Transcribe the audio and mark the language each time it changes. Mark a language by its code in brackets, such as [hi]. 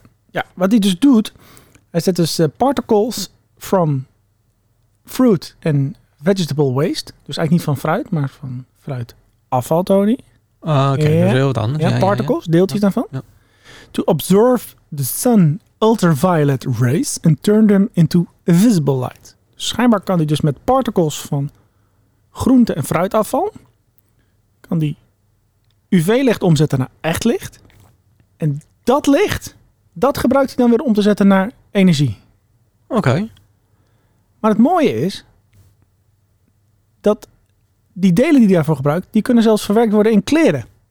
[nl] Ja. Wat hij dus doet, hij zet dus [en] particles from fruit and vegetable waste. [nl] Dus eigenlijk niet van fruit, maar van fruitafval, Tony. Oké, dat is heel wat anders. Ja, particles, deeltjes daarvan. Ja. [en] To absorb the sun ultraviolet rays and turn them into visible light. [nl] Schijnbaar kan hij dus met particles van groente- en fruitafval, kan die UV-licht omzetten naar echt licht. En dat licht, dat gebruikt hij dan weer om te zetten naar energie. Oké. Okay. Maar het mooie is dat die delen die hij daarvoor gebruikt, die kunnen zelfs verwerkt worden in kleren.